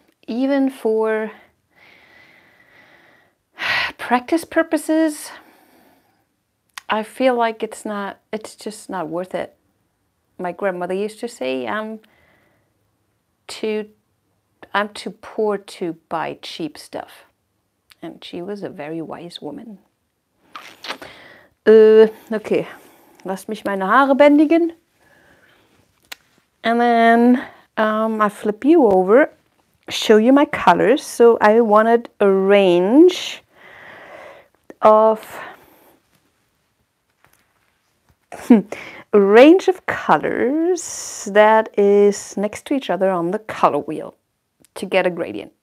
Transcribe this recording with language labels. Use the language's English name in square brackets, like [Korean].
[English] Even for practice purposes, I feel like it's just not worth it. My grandmother used to say, I'm too poor to buy cheap stuff. And she was a very wise woman. [German] Okay, lass mich meine Haare bändigen. [English] And then I flip you over, show you my colors. So I wanted a range of a range of colors that is next to each other on the color wheel to get a gradient.